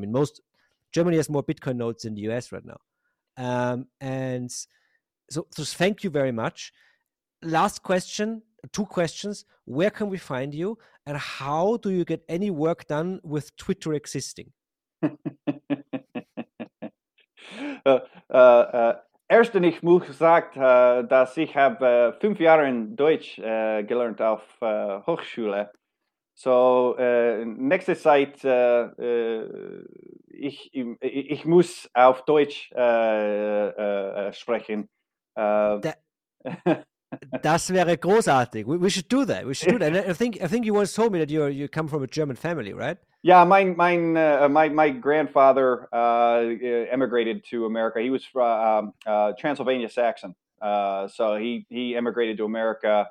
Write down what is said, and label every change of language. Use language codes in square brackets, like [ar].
[en] I mean, most Germany has more Bitcoin nodes than the US right now. And so thank you very much. last question, two questions. Where can we find you? And how do you get any work done with Twitter existing? [de] Erstens, ich muss sagen, dass ich habe 5 Jahre in Deutsch gelernt auf Hochschule. So, nächste Zeit, ich muss auf Deutsch sprechen. Das wäre großartig. [en] We should do that. We should do that. And I think you once told me that you come from a German family, right? Yeah, my grandfather emigrated to America. He was from Transylvania Saxon. So he emigrated to America.